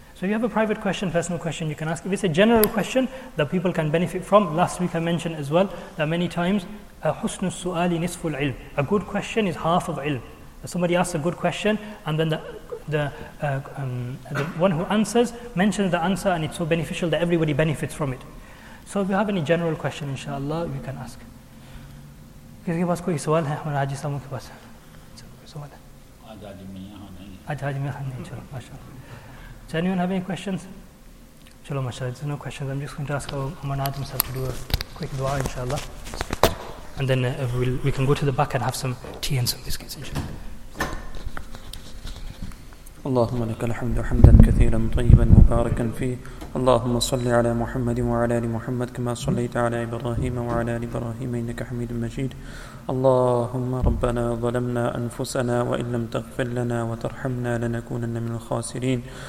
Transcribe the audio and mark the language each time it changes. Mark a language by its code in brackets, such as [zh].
[en] So if you have a private question, personal question, you can ask. If it's a general question that people can benefit from, last week I mentioned as well that many times, [ar] husnus su'ali nisful ilm, [en] a good question is half of ilm. Somebody asks a good question, and then the one who answers mentions the answer, and it's so beneficial that everybody benefits from it. So if you have any general question, inshallah, you can ask. [hi] किसी के पास कोई सवाल है हमारे हाजी साहब के पास सवाल है आज हाजी मियां नहीं चलो माशाल्लाह चलो [en] anyone have any questions [hi] चलो माशाल्लाह [en] there's no questions I'm just going to ask Mona Adam Sahib to do a quick dua inshallah and then we can go to the back and have some tea and some biscuits inshallah [ar] اللهم لك الحمد حمدا كثيرا طيبا مباركا فيه اللهم صل على محمد وعلى آل محمد كما صليت على إبراهيم وعلى آل إبراهيم إنك حميد مجيد اللهم ربنا ظلمنا أنفسنا وإن لم تغفر لنا وترحمنا لنكونن من الخاسرين